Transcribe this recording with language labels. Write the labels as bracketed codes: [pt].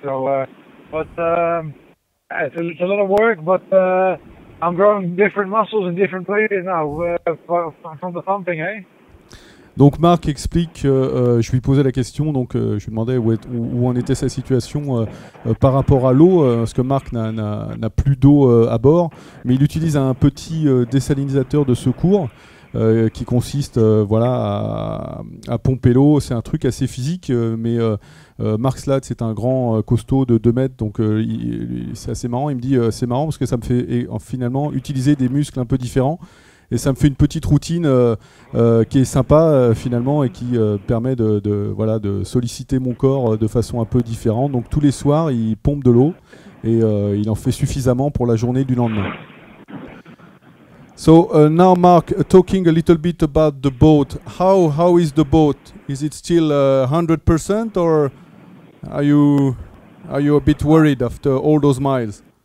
[en] So, it's a lot of work, but I'm growing different muscles in different places now from the pumping, eh? [fr] Donc Marc explique, je lui posais la question, donc je lui demandais où en était sa situation par rapport à l'eau, parce que Marc n'a plus d'eau à bord, mais il utilise un petit dessalinisateur de secours qui consiste à pomper l'eau. C'est un truc assez physique, mais Marc Slat, c'est un grand costaud de 2 mètres, donc c'est assez marrant. Il me dit c'est marrant parce que ça me fait finalement utiliser des muscles un peu différents. Et ça me fait une petite routine qui est sympa finalement et qui permet de solliciter mon corps de façon un peu différente. Donc tous les soirs, il pompe de l'eau et il en fait suffisamment pour la journée du lendemain. [en] So now, Mark, talking a little bit about the boat. How is the boat? Is it still 100% or are you a bit worried after all those miles?